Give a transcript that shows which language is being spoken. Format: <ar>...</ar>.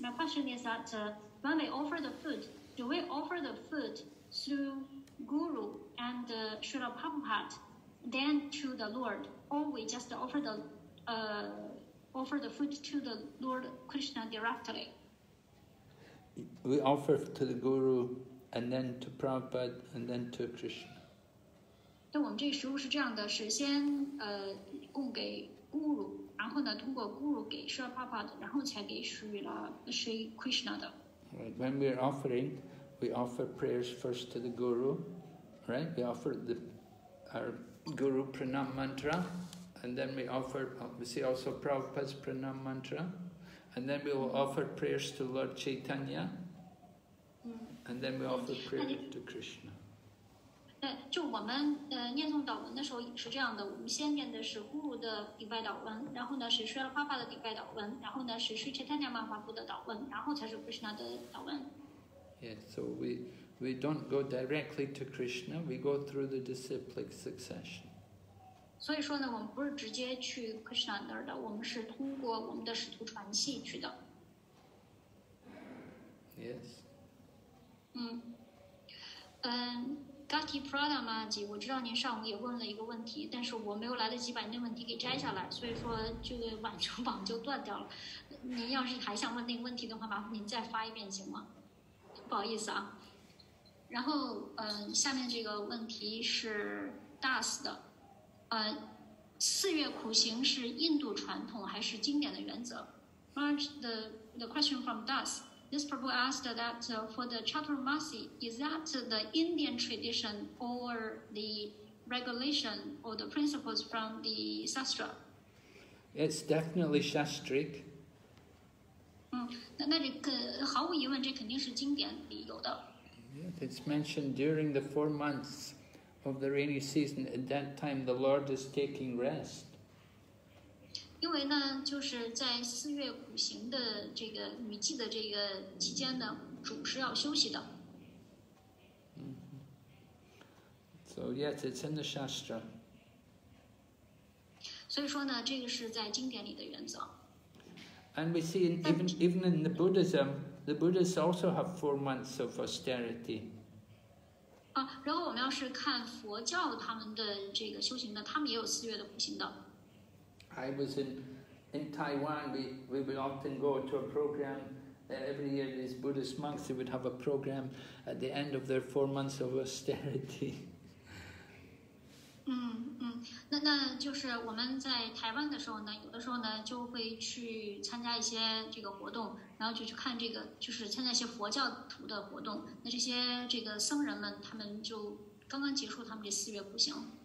<en>My question is that when we offer the food, do we offer the food through Guru and Srila Prabhupada, then to the Lord, or we just offer the food to the Lord Krishna directly? We offer to the Guru and then to Prabhupada and then to Krishna.</en> <zh>那我们这个食物是这样的，是先供给。 Guru, 然后呢通过 Guru 给 Sri Prabhupada, 然后才给 Sri Krishna 的。</zh> <en>Right. When we are offering, we offer prayers first to the Guru, right? We offer our Guru Pranam Mantra, and then we offer, obviously also Prabhupada's Pranam Mantra, and then we will offer prayers to Lord Chaitanya, and then we offer prayers to Krishna.</en> <zh>对，就我们念诵祷文的时候也是这样的，我们先念的是 Guru 的顶拜祷文，然后呢是 Srila Prabhupada 的顶拜祷文，然后呢是 Sri Chaitanya Mahaprabhu 的祷文，然后才是 Krishna 的祷文。</zh> <en>Yeah, so we don't go directly to Krishna, we go through the disciplic succession.</en> <zh>所以说呢，我们不是直接去 Krishna 那儿的，我们是通过我们的使徒传系去的。</zh> <en>Yes.</en> <zh>Gati Prada Maji, 我知道您上午也问了一个问题，但是我没有来得及把那问题给摘下来，所以说这个晚上网就断掉了。您要是还想问那个问题的话，麻烦您再发一遍行吗？不好意思啊。然后下面这个问题是 Das 的。四月苦行是印度传统还是经典的原则？</zh> <en>The question from Das. This Prabhu asked that for the Chaturmasi, is that the Indian tradition or the regulation or the principles from the Shastra? It's definitely Shastric.</en> <zh>那这个毫无疑问，这肯定是经典里有的。</zh> <en>Yeah, it's mentioned during the 4 months of the rainy season. At that time, the Lord is taking rest.</en> <zh>因为呢，就是在四月苦行的这个雨季的这个期间呢，主是要休息的。</zh> <en>So yes, it's in the Shastra.</en> <zh>所以说呢，这个是在经典里的原则。</zh> <en>And we see even in the Buddhism, the Buddhists also have 4 months of austerity.</en> <zh>啊，然后我们要是看佛教他们的这个修行呢，他们也有四月的苦行的。</zh> <en>I was in Taiwan, we would often go to a program. Every year these Buddhist monks, they would have a program at the end of their 4 months of austerity.</en> <zh>那就是我们在台湾的时候呢，有的时候呢就会去参加一些这个活动，然后就去看这个，就是参加一些佛教徒的活动。那这些这个僧人们，他们就刚刚结束他们这四月苦行。</zh>